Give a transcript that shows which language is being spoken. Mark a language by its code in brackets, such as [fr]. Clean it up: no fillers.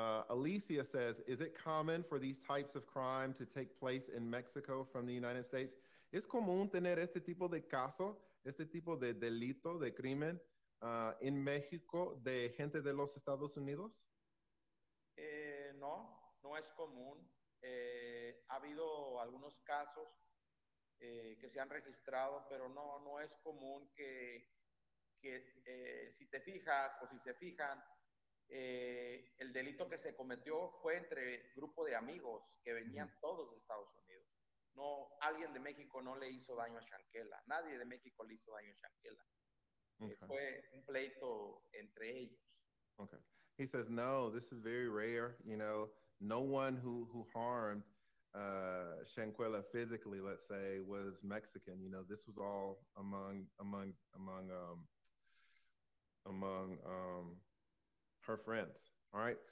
[en] Alicia says, is it common for these types of crime to take place in Mexico from the United States? [es] ¿Es común tener este tipo de caso, este tipo de delito, de crimen, en México de gente de los Estados Unidos? No es común. Ha habido algunos casos que se han registrado, pero no es común que si te fijas o si se fijan, el delito que se cometió fue entre grupo de amigos que venían todos de Estados Unidos. No, alguien de México no le hizo daño a Shankela. Nadie de México le hizo daño a Shankela. Okay. Fue un pleito entre ellos. Okay. [en] He says, no, this is very rare, you know, no one who harmed Shankela physically, let's say, was Mexican. You know, this was all among her friends. All right.